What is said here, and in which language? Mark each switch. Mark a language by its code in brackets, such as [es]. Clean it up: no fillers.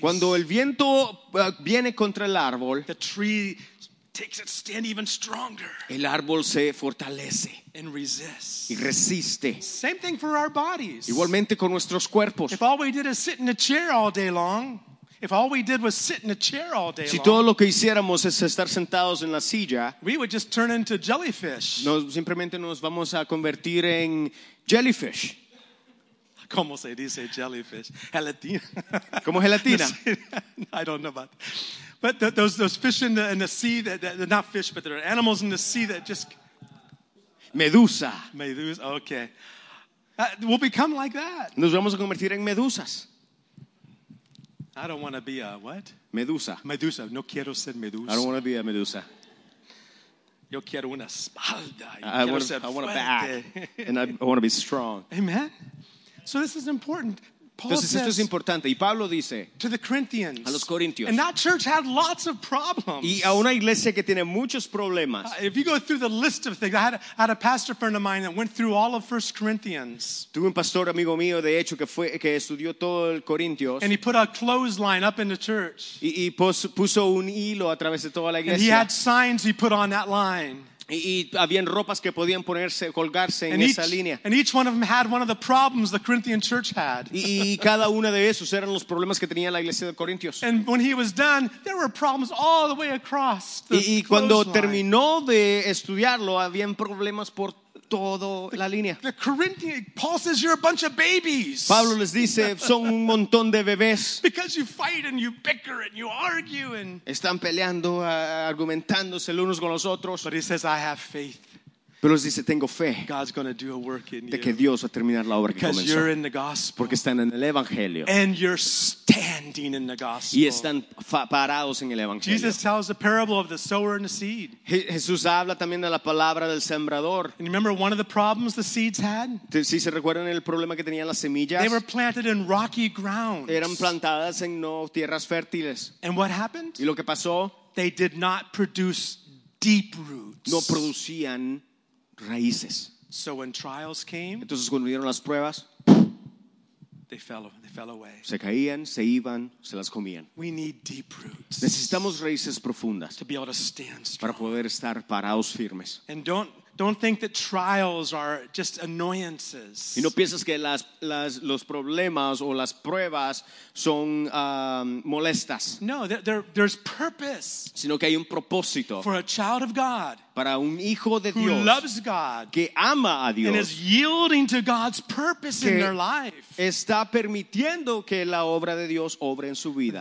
[es] Cuando el viento viene contra el árbol, [en] the tree takes its stand even stronger. [es] El árbol se fortalece. [en] And resists. [es] Y resiste. [en] Same thing for our bodies. [es] Igualmente con nuestros cuerpos. [en] If all we did is sit in a chair all day long. If all we did was sit in a chair all day [es] si [en] long, [es] todo lo que hiciéramos es estar sentados en la silla, [en] we would just turn into jellyfish. [es] Simplemente nos vamos a convertir en jellyfish. ¿Cómo se dice jellyfish? Gelatina. ¿Cómo gelatina? [en] I don't know about that. But those fish in the sea, they're not fish, but there are animals in the sea that just... [es] Medusa. [en] Medusa, okay. We'll become like that. [es] Nos vamos a convertir en medusas. [en] I don't want to be a what? [es] Medusa. Medusa. No quiero ser medusa. [en] I don't want to be a medusa. [es] Yo quiero una espalda. [en] I want a back. And I want to be strong. Amen. So this is important. Paul [es] entonces, [en] says [es] esto es importante. Y Pablo dice, [en] to the Corinthians. [es] A los corintios. [en] And that church had lots of problems. [es] Y a una iglesia que tiene muchos problemas. [en] If you go through the list of things, I had a pastor friend of mine that went through all of 1 Corinthians. [es] Tuve un pastor amigo mío, de hecho, que estudió todo el Corintios. [en] And he put a clothesline up in the church. [es] Y puso un hilo a través de toda la iglesia. [en] And he had signs he put on that line. [es] Y habían ropas que podían ponerse, colgarse en esa línea. [en] And each one of them had one of the problems the Corinthian church had. [es] Y cada uno de esos eran los problemas que tenía la iglesia de Corintios. [en] And when he was done, there were problems all the way across the [es] clothesline. Y cuando terminó de estudiarlo, habían problemas por toda la línea. [en] The Corinthian, Paul says, you're a bunch of babies. [es] Pablo les dice, son un montón de bebés. [en] Because you fight and you bicker and you argue and. [es] Están peleando, argumentándose los unos con los otros. [en] But he says, I have faith. [es] Pero les dice, tengo fe. [en] God's going to do a work in you. [es] De que Dios va a terminar la obra que comenzó. [en] Because you're in the gospel. [es] Porque están en el evangelio. [en] And you're standing in the gospel. [es] Y están parados en el evangelio. [en] Jesus tells the parable of the sower and the seed. [es] Jesús habla también de la palabra del sembrador. [en] And remember one of the problems the seeds had? [es] ¿Sí se recuerdan el problema que tenían las semillas? [en] They were planted in rocky ground. [es] Eran plantadas en no tierras fértiles. [en] And what happened? [es] ¿Y lo que pasó? [en] They did not produce deep roots. [es] No producían raíces. [en] So when trials came, [es] entonces cuando vinieron las pruebas, [en] they fell away. [es] Se caían, se iban, se las comían. [en] We need deep roots. [es] Necesitamos raíces profundas [en] to be able to stand strong. [es] Para poder estar parados firmes. [en] And don't think that trials are just annoyances. [es] Y no pienses que los problemas o las pruebas son molestas. [en] No, there's purpose. [es] Sino que hay un propósito. [en] For a child of God. [es] Para un hijo de [en] who [es] Dios. [en] Who loves God. [es] Que ama a Dios. [en] And is yielding to God's purpose in their life. [es] Está permitiendo que la obra de Dios obre en su vida.